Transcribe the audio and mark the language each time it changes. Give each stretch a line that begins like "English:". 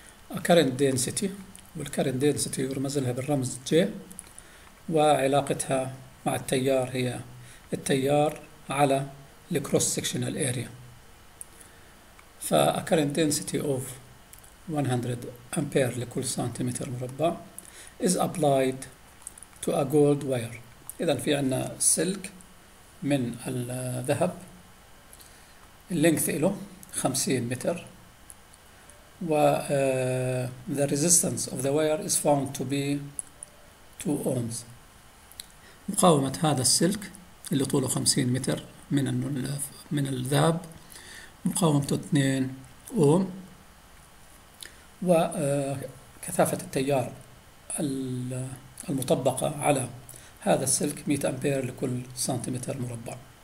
Arabic: A current density، والcurrent density يرمز لها بالرمز J، وعلاقتها مع التيار هي التيار على الكروس سكشنال اريا.
English: فا current density of 100
Arabic: امبير لكل سنتيمتر مربع
English: is applied to a gold wire.
Arabic: اذا في عندنا سلك من الذهب اللينث له 50 متر،
English: و the resistance of the wire is found to be 2 ohms.
Arabic: مقاومة هذا السلك اللي طوله 50 متر من الذهب مقاومته 2 اوم، وكثافة التيار المطبقة على هذا السلك 100 امبير لكل سنتيمتر مربع.